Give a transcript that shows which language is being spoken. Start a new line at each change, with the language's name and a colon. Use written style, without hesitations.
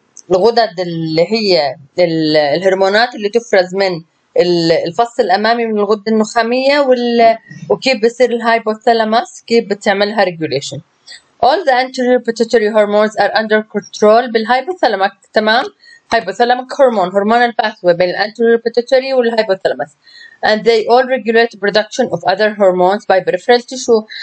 Arabic: الغدد اللي هي الهرمونات اللي تفرز من الفص الامامي من الغده النخاميه وكيف بصير الهايبوثالاموس كيف بتعملها ريجوليشن.
English: All the anterior pituitary hormones are under control بالهايبوثالاموس.
Arabic: تمام، هايبوثالاموك هرمون، هرمون الباثوي بين الانتيريور بيتيتوري والهايبوثالاموس.
English: And they all regulate production of other hormones by peripheral tissue.